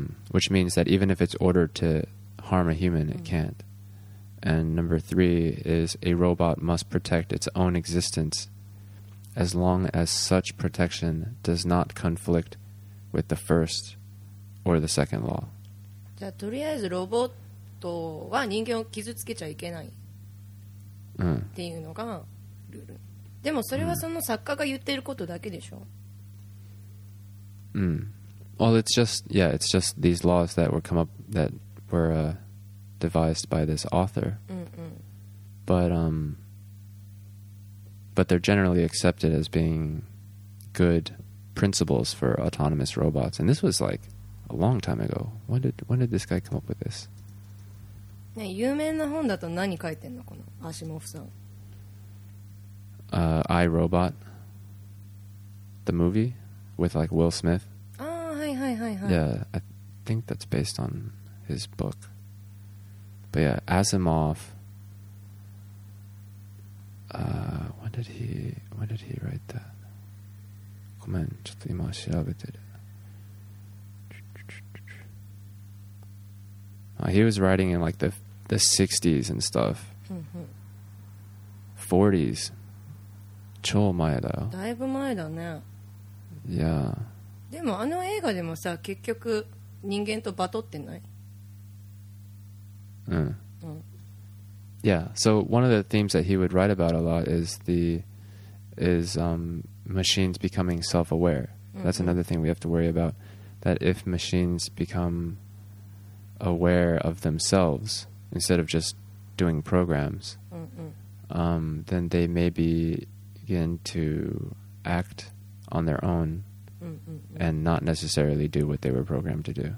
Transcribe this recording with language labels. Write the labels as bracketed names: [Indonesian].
[English] Which means that even if it's ordered to harm a human, it can't. And number three is a robot must protect its own existence as long as such protection does not conflict with the first or the second law. [Japanese] じゃあとりあえずロボットは人間を傷つけちゃいけないっていうのがルール。でもそれはその作家が言ってることだけでしょ？ [English] Well, it's just, yeah, it's just these laws that were come up, that were devised by this author. But they're generally accepted as being good principles for autonomous robots. And this was like a long time ago. When did this guy come up with this? [Japanese] ね、有名な本だと何書いてんのこのアシモフさん。 [English] I, Robot, the movie with like Will Smith. Yeah, I think that's based on his book. But yeah, Asimov. When did he write that? [Japanese] ごめん、ちょっと今調べてる。 [English] He was writing in like the 60s and stuff. 40s. [Japanese] 超前だよ。だいぶ前だね。 [English] Yeah. [Japanese] でもあの映画でもさ結局人間とバトってない。 [English] Yeah. So one of the themes that he would write about a lot is the machines becoming self-aware. That's another thing we have to worry about. That if machines become aware of themselves instead of just doing programs, then they maybe begin to act on their own and not necessarily do what they were programmed to do.